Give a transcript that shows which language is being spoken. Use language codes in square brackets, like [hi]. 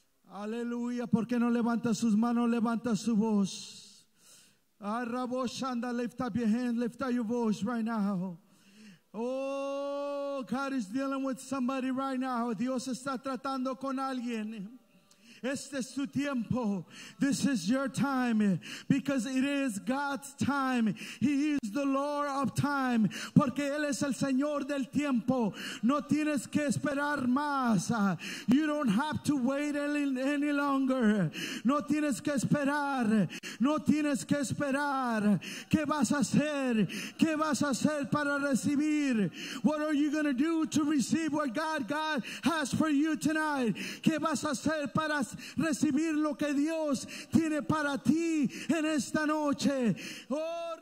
[es] Aleluya, ¿por qué no levanta sus manos, levanta su voz? [en] Arrabosanda, lift up your hand, lift up your voice right now. Oh, God is dealing with somebody right now. [es] Dios está tratando con alguien. Este es tu tiempo. [en] This is your time. Because it is God's time. He is the Lord of time. [es] Porque Él es el Señor del tiempo. No tienes que esperar más. [en] You don't have to wait any longer. [es] No tienes que esperar. No tienes que esperar. ¿Qué vas a hacer? ¿Qué vas a hacer para recibir? [en] What are you going to do to receive what God has for you tonight? [es] ¿Qué vas a hacer para recibir lo que Dios tiene para ti en esta noche? Oh,